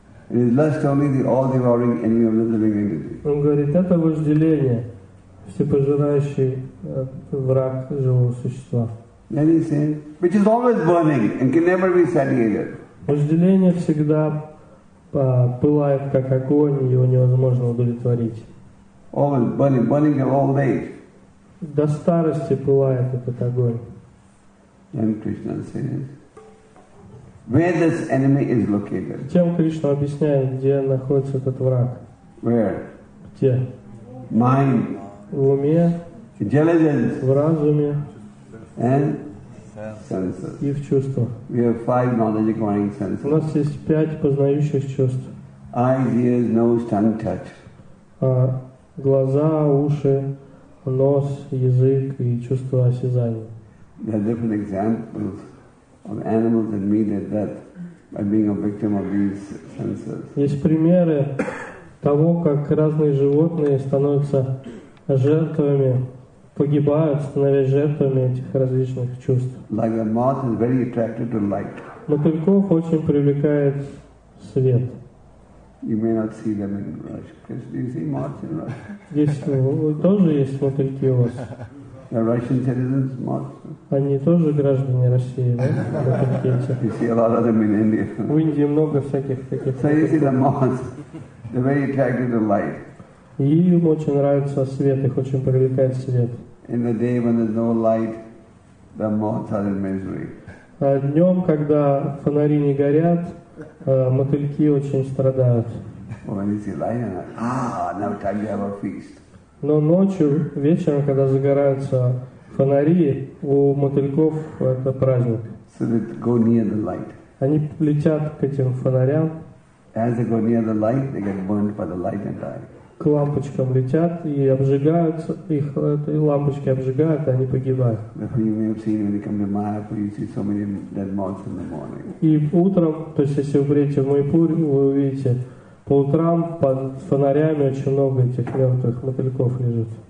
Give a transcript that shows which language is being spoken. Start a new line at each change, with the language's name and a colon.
English: It is lust only the all-devouring enemy of the living entity.
Russian: Он говорит, это вожделение, всепожирающий враг живого существа.
English: Then he said, which is always burning and can never be satiated.
Russian: Вожделение всегда пылает, как огонь, его невозможно удовлетворить.
English: Always burning, burning of all age.
Russian: До старости пылает этот огонь.
English: Then Krishna says, where this enemy is located?
Russian: Чем Кришна объясняет, где находится этот враг?
English: Where?
Russian: Где?
English: Mind.
Russian: В уме.
English: Intelligence.
Russian: В разуме.
English: And senses.
Russian: И в чувствах.
English: We have five knowledge acquiring senses.
Russian: У нас есть пять познающих чувств.
English: Eyes, ears, nose, tongue, touch.
Russian: Глаза, уши, нос, язык и чувство осязания.
English: There are different examples of animals that meet their death by being a victim of these senses.
Russian: Есть примеры того, как разные животные становятся жертвами. Погибают, становясь жертвами этих различных чувств.
English: Like a moth is very attracted to light.
Russian: Мотыльков очень привлекает свет.
English: You may not see them in Russia. Do you see moths in Russia?
Russian: Тоже есть мотыльки у вас.
English: The Russian citizens, moths.
Russian: Они тоже граждане России, да? Мотыльки эти.
English: You see a lot of them in India.
Russian: В Индии много всяких таких.
English: So you see the moths. They're very attracted to light.
Russian: И им очень нравится свет, их очень привлекает свет.
English: In the day when there's no light, the moths are in misery.
Russian: Днем, когда фонари не горят, мотыльки очень страдают.
English: When is the light on? Now time to have a feast.
Russian: Но ночью, вечером, когда загораются фонари, у мотыльков это праздник.
English: So they go near the light.
Russian: Они летят к этим фонарям.
English: As they go near the light, they get burned by the light and die.
Russian: К лампочкам летят и обжигаются, их и лампочки обжигают, и они погибают. И утром, то есть если вы придете в Майпур, вы увидите, по утрам под фонарями очень много этих мертвых мотыльков лежит.